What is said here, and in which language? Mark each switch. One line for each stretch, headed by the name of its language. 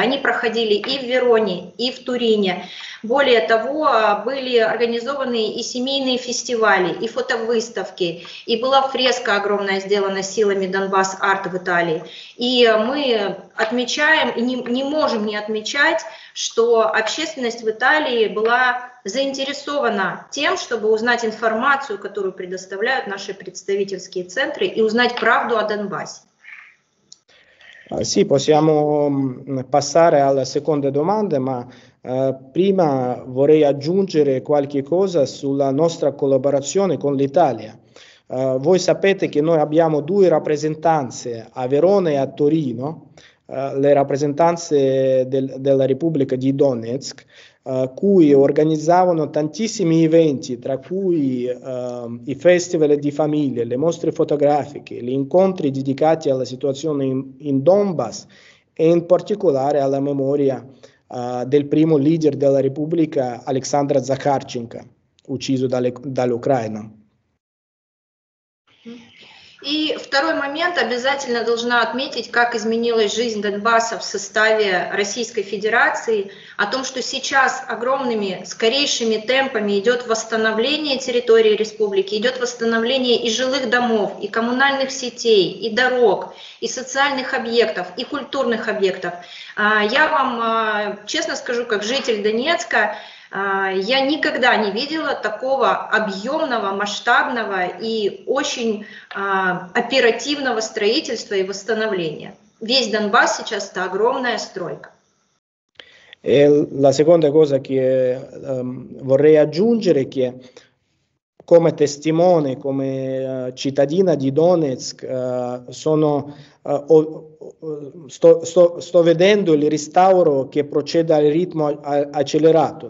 Russian: Они проходили и в Вероне, и в Турине. Более того, были организованы и семейные фестивали, и фотовыставки, и была фреска огромная сделана силами Донбасса арт в Италии. И мы отмечаем, и не можем не отмечать, что общественность в Италии была заинтересована тем, чтобы узнать информацию, которую предоставляют наши представительские центры, и узнать правду о Донбассе.
Italian: Sì, possiamo passare alla seconda domanda, ma Prima vorrei aggiungere qualche cosa sulla nostra collaborazione con l'Italia. Voi sapete che noi abbiamo due rappresentanze a Verona e a Torino, le rappresentanze della Repubblica di Donetsk, cui organizzavano tantissimi eventi, tra cui i festival di famiglie, le mostre fotografiche, gli incontri dedicati alla situazione in Donbass e in particolare alla memoria del primo leader della Repubblica, Alexandra Zakharchenko, ucciso dall'Ucraina.
Russian: И второй момент обязательно должна отметить, как изменилась жизнь Донбасса в составе Российской Федерации, о том, что сейчас огромными, скорейшими темпами идет восстановление территории республики, идет восстановление и жилых домов, и коммунальных сетей, и дорог, и социальных объектов, и культурных объектов. Я вам честно скажу, как житель Донецка, я никогда не видела такого объемного, масштабного и очень оперативного строительства и восстановления. Весь Донбасс сейчас это огромная стройка.
Italian: E la seconda cosa che vorrei aggiungere che come testimone, come cittadina di Donetsk, sto vedendo il restauro che procede al ritmo accelerato.